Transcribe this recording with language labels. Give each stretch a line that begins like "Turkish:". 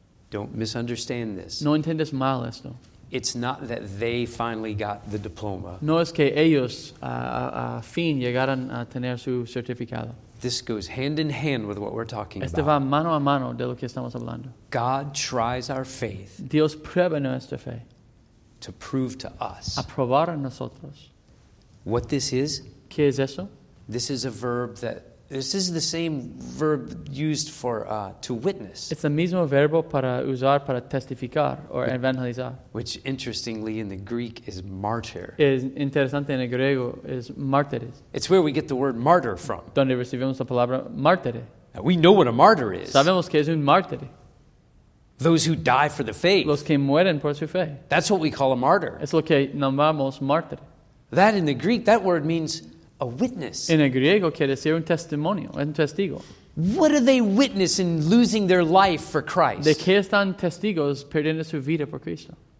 English: Don't misunderstand this.
Spanish: No entiendes mal esto.
English: It's not that they finally got the diploma.
Spanish: No es que ellos a fin llegaran a tener su certificado.
English: This goes hand in hand with what we're talking
Spanish: este
English: about.
Spanish: Va mano a mano de lo que estamos hablando.
English: God tries our faith.
Spanish: Dios prueba nuestra fe.
English: To prove to us.
Spanish: A probar a nosotros.
English: What this is?
Spanish: ¿Qué es eso?
English: This is a verb that... This is the same verb used for to witness. It's the
Spanish: mismo verbo para usar para testificar or evangelizar.
English: Which interestingly in the Greek is martyr.
Spanish: Es interesante en el griego es mártires.
English: It's where we get the word martyr from.
Spanish: Donde recibimos la palabra mártire.
English: We know what a martyr is.
Spanish: Sabemos que es un mártir.
English: Those who die for the faith.
Spanish: Los que mueren por su fe.
English: That's what we call a martyr.
Spanish: Es lo que llamamos mártir.
English: That in the Greek, that word means a witness.
Spanish: En el griego quiere decir un testimonio, un testigo.
English: What do they witness in losing their life for Christ?
Spanish: ¿De qué están testigos perdiendo su vida por Cristo?